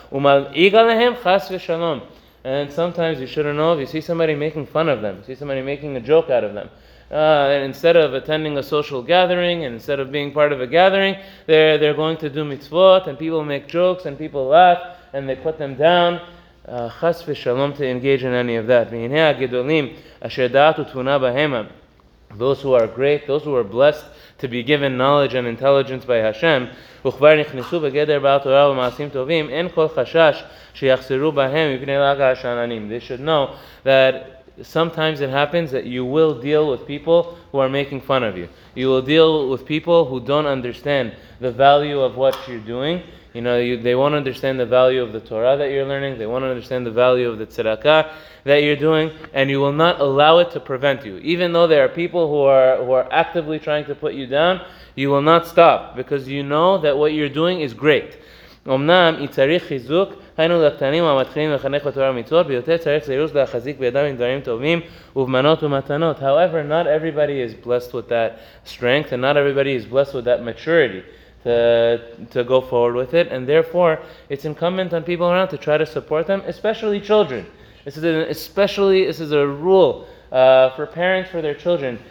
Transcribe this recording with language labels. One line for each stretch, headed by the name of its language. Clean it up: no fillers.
Hebrew: Umal'ig alehem chas v'shalom.
English: And sometimes you shouldn't know if you see somebody making fun of them, see somebody making a joke out of them. And instead of attending a social gathering, and instead of being part of a gathering, they're going to do mitzvot, and people make jokes, and people laugh, and they put them down. Chas v'shalom, to engage in any of that.
Hebrew: V'hineh ha'gedolim asher da'at u'tvunah bahemam.
English: Those who are great, those who are blessed to be given knowledge and intelligence by Hashem,
Hebrew: וכבר נכנסו בגדר בעל תורה ומעשים טובים, אין כל חשש שיחסרו בהם מפני לעג השננים.
English: They should know that sometimes it happens that you will deal with people who are making fun of you. You will deal with people who don't understand the value of what you're doing. You know, they won't understand the value of the Torah that you're learning. They won't understand the value of the tzedakah that you're doing. And you will not allow it to prevent you. Even though there are people who are actively trying to put you down, you will not stop. Because you know that what you're doing is great.
Hebrew: אמנם יצריך חיזוק, היינו לקטנים המתחילים לחנך בתורה ומצוות, ביותר צריך זירוס להחזיק בידם עם דברים טובים ובמנות ומתנות.
English: However, not everybody is blessed with that strength, and not everybody is blessed with that maturity to go forward with it, and therefore it's incumbent on people around to try to support them, especially children. This is a rule for parents for their children.